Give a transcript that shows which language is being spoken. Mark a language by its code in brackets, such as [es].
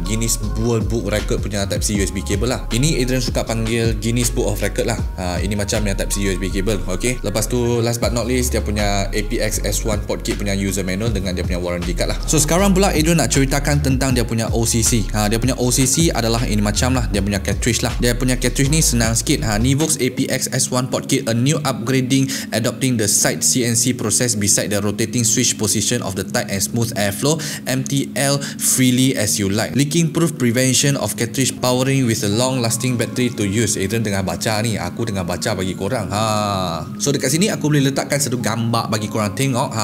[ms] Guinness World Book Record punya Type-C USB cable lah. Ini Adrian suka panggil Guinness Book of Record lah. Ini macam yang Type-C USB cable, okay. Lepas tu [en] last but not least, [ms] dia punya APX S1 port kit punya user manual dengan dia punya warranty card lah. So sekarang pula Adrian nak ceritakan tentang dia punya OCC. Dia punya OCC adalah ini macam lah, dia punya cartridge lah. Dia punya cartridge ni senang sikit. [en] Nevox APX S1 port kit, a new upgrading adopting the side CNC process beside the rotating switch position of the tight and smooth airflow, MTL freely as you like. Leaking proof prevention of cartridge powering with a long lasting battery to use. [ms] Adrian tengah baca ni, aku tengah baca bagi korang. So dekat sini aku boleh letakkan satu gambar bagi korang tengok.